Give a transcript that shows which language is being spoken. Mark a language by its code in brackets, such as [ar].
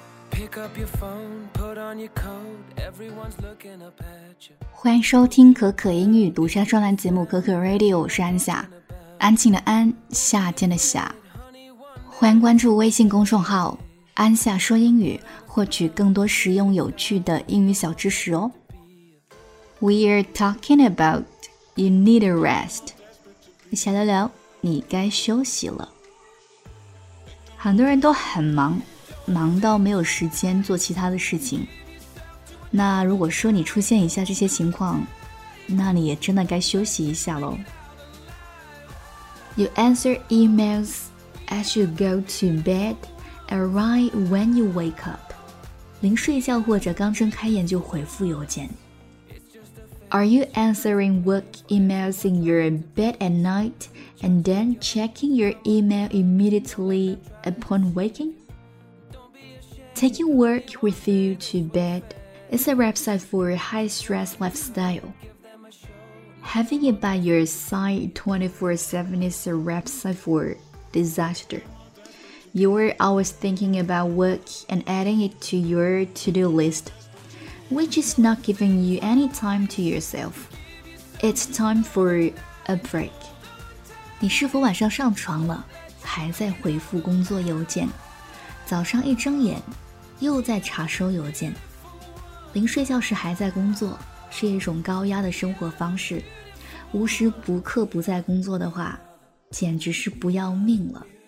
[en] Pick up your phone, put on your coat, everyone's looking up at you. [zh] 欢迎收听可可英语独家专栏节目可可 Radio， 我是安夏，安静的安，夏天的夏。欢迎关注微信公众号安夏说英语，获取更多实用有趣的英语小知识哦。 [en] We are talking about you need a rest. [zh] 小聊聊，你该休息了。很多人都很忙，忙到没有时间做其他的事情。那如果说你出现以下这些情况，那你也真的该休息一下咯。 [en] You answer emails as you go to bed and right when you wake up. [zh] 临睡觉或者刚睁开眼就回复邮件。 [en] Are you answering work emails in your bed at night and then checking your email immediately upon waking? Taking work with you to bed is a recipe for a high-stress lifestyle. Having it by your side 24/7 is a recipe for disaster. You're always thinking about work and adding it to your to-do list. Which is not giving you any time to yourself. It's time for a break. [zh] 你是否晚上上床了，还在回复工作邮件？早上一睁眼，又在查收邮件。临睡觉时还在工作，是一种高压的生活方式。无时不刻不在工作的话，简直是不要命了。